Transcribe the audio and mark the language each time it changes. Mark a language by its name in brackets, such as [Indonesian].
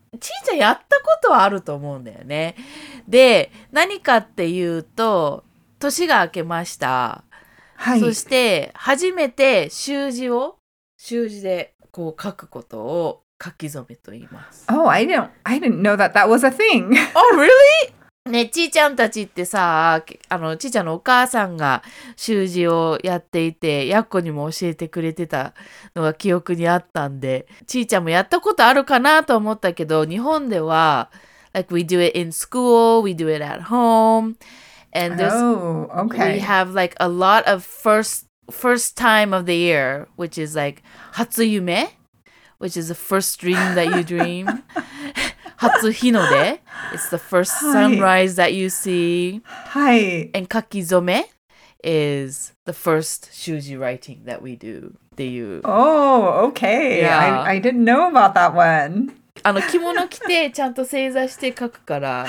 [Japanese] ちーちゃんやったことはあると思うんだよね。で、何かっていうと、年が明けました。はい。そして、初めて習字でこう書くことを書き初めと言います。 [English] Oh, I didn't know that that was a thing. [Japanese] Oh, really? ね、ちーちゃんたちってさ、ちーちゃんのお母さんが習字をやっていて、やっこにも教えてくれてたのが記憶にあったんで、ちーちゃんもやったことあるかなと思ったけど、日本では、 [English] like we do it in school, we do it at home, and there's, oh, okay. we have like a lot of first time of the year, which is like 初夢。 Which is the first dream that you dream. 初日の出.It's the first sunrise that you see. [Japanese] はい. [English] And 書き初め is the first 習字 writing that we do. [Japanese] っていう. [English] Oh, okay. Yeah. I didn't know about that one. [Japanese] 着物着てちゃんと正座して書くから.